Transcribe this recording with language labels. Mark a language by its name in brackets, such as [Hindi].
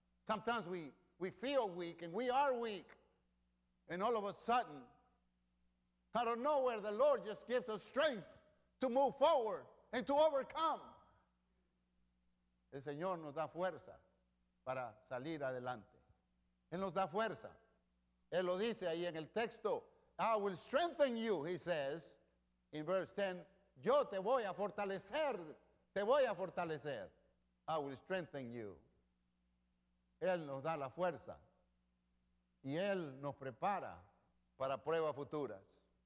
[English] Sometimes we feel weak and we are weak. And all of a sudden, out of nowhere, the Lord just gives us strength to move forward and to overcome. [Spanish] El Señor nos da fuerza para salir adelante. Él nos da fuerza. Él lo dice ahí en el texto. [English] I will strengthen you, he says, in verse 10. [Spanish] Yo te voy a fortalecer. Te voy a fortalecer. [English] I will strengthen you. [Spanish] Él nos da la fuerza. Y Él nos prepara para pruebas futuras.